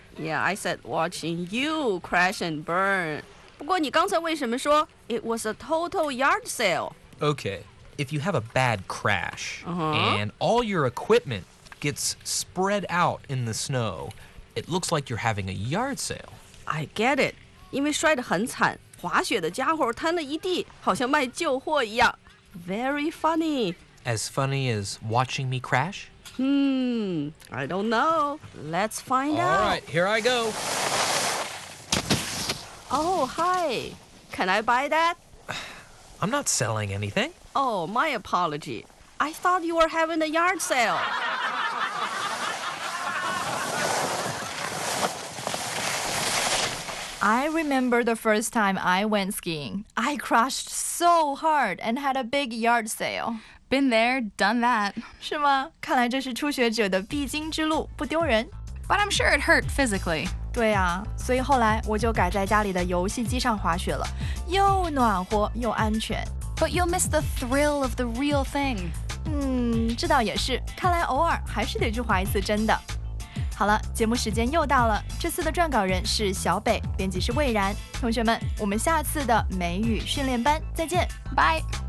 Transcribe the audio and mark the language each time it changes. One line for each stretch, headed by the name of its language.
English: Yeah, I said watching you crash and burn.
Chinese: 不过你刚才为什么说
English: it was a total yard sale? Okay, if you have a bad crash, uh-huh. and all your equipment gets spread out in the snow, it looks like you're having a yard sale. I get it.
Chinese: 因为摔得很惨,滑雪的家伙摊了一地,好像卖旧货一样。
English: Very funny. As funny as watching me crash? I don't know. Let's find out. All right, here I go. Oh, hi. Can I buy that? I'm not selling anything. Oh, my apology. I thought you were having a yard sale. I remember the first time I went skiing. I crashed so hard and had a big yard sale. Been there, done that.
Chinese: 是吗? 看来这是初学者的必经之路,不丢人。
English: But I'm sure it hurt physically.
Chinese: 对啊，所以后来我就改在家里的游戏机上滑雪了，又暖和又安全。
English: But you'll miss the thrill of the real thing.
Chinese: 这倒也是，看来偶尔还是得去滑一次真的。好了，节目时间又到了，这次的撰稿人是小北，编辑是蔚然。同学们，我们下次的美语训练班再见，拜。